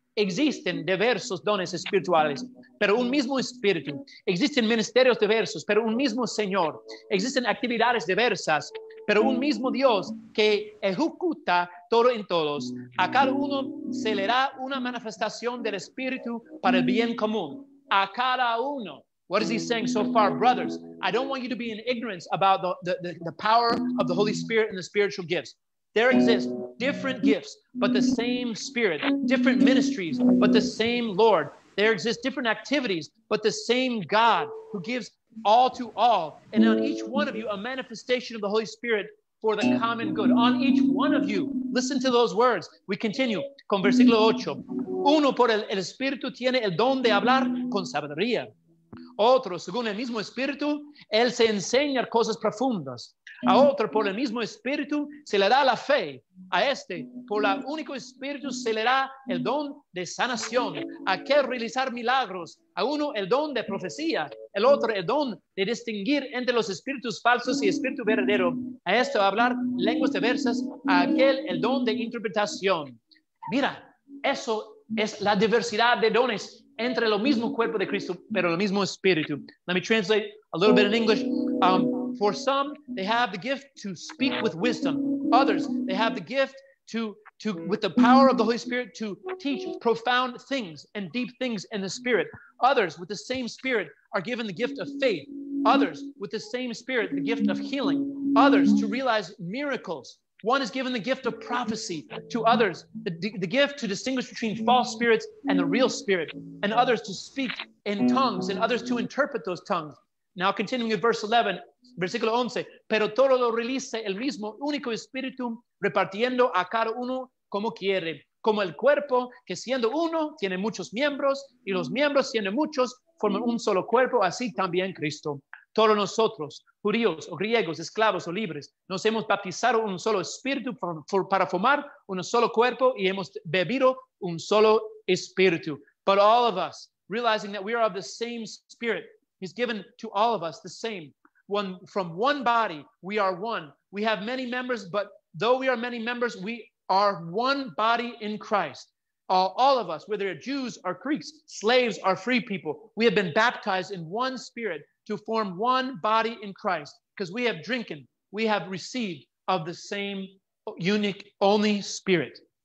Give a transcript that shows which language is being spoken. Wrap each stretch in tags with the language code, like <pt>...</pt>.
<es>Existen diversos dones espirituales, pero un mismo Espíritu. Existen ministerios diversos, pero un mismo Señor. Existen actividades diversas, pero un mismo Dios que ejecuta todo en todos. A cada uno se le da una manifestación del Espíritu para el bien común. A cada uno.</es> <en>What is he saying so far? Brothers, I don't want you to be in ignorance about the power of the Holy Spirit and the spiritual gifts. There exist different gifts, but the same Spirit, different ministries, but the same Lord. There exist different activities, but the same God who gives all to all. And on each one of you, a manifestation of the Holy Spirit for the common good. On each one of you. Listen to those words. We continue</en> <es>con versículo 8. Uno por el Espíritu tiene el don de hablar con sabiduría. Otro, según el mismo Espíritu, él se enseña cosas profundas. A otro, por el mismo Espíritu, se le da la fe. A este, por el único Espíritu, se le da el don de sanación. A aquel, realizar milagros. A uno, el don de profecía. El otro, el don de distinguir entre los espíritus falsos y espíritu verdadero. A este, hablar lenguas diversas. A aquel, el don de interpretación. Mira, eso es la diversidad de dones entre lo mismo cuerpo de Cristo, pero lo mismo espíritu.</es> <en>Let me translate a little bit in English. For some, they have the gift to speak with wisdom. Others, they have the gift to with the power of the Holy Spirit, to teach profound things and deep things in the Spirit. Others, with the same Spirit, are given the gift of faith. Others, with the same Spirit, the gift of healing. Others, to realize miracles. One is given the gift of prophecy to others, the gift to distinguish between false spirits and the real spirit, and others to speak in tongues, and others to interpret those tongues. Now continuing with verse 11,</en> <es>versículo 11, pero todo lo realiza el mismo único espíritu repartiendo a cada uno como quiere, como el cuerpo que siendo uno tiene muchos miembros, y los miembros siendo muchos forman un solo cuerpo, así también Cristo. Todos nosotros, judíos o griegos, esclavos o libres, nos hemos bautizado un solo espíritu para formar un solo cuerpo y hemos bebido un solo espíritu.</es> <en>But all of us, realizing that we are of the same spirit, he's given to all of us the same. One, from one body, we are one. We have many members, but though we are many members, we are one body in Christ. All of us, whether Jews or Greeks, slaves or free people, we have been baptized in one spirit to form one body in Christ, because we have drinking, we have received of the same unique, only spirit.</en>